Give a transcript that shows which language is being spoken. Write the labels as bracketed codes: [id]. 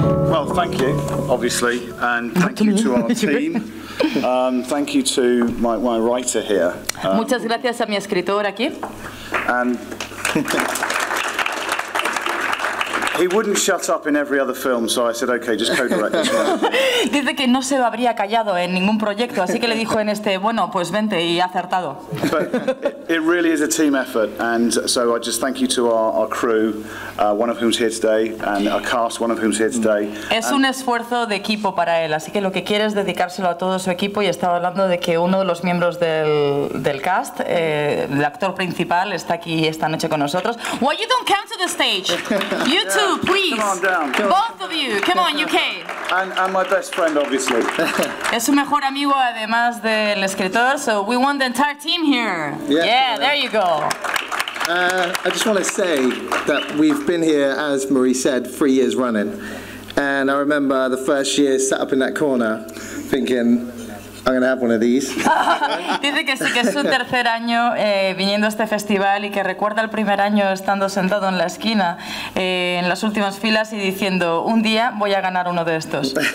[en] Well, thank you, obviously, and thank you to our team. Thank you to my writer here. [es] Muchas gracias a mi escritor aquí. [en] And he wouldn't shut up in every other film, so I said, okay, just co-direct this one. [es] Dice que no se lo habría callado en ningún proyecto, así que le dijo en este, bueno, pues vente, y ha acertado. [en] It really is a team effort, and so I just thank you to our crew, one of whom's here today, and our cast, one of whom's here today. [es] Es un esfuerzo de equipo para él, así que lo que quiere es dedicárselo a todo su equipo, y estaba hablando de que uno de los miembros del cast, el actor principal, está aquí esta noche con nosotros. [en] Why you don't come to the stage? You too. Please. Come on down. Both of you. Come on, you came. And my best friend, obviously. [es] Es su mejor amigo, además del escritor. [en] So we want the entire team here. Yeah, there you go. I just want to say that we've been here, as Marie said, 3 years running. And I remember the first year sat up in that corner thinking, I'm gonna have one of these. [es] Dice que sí, que es su tercer año viniendo a este festival y que recuerda el primer año estando sentado en la esquina, en las últimas filas y diciendo, un día voy a ganar uno de estos.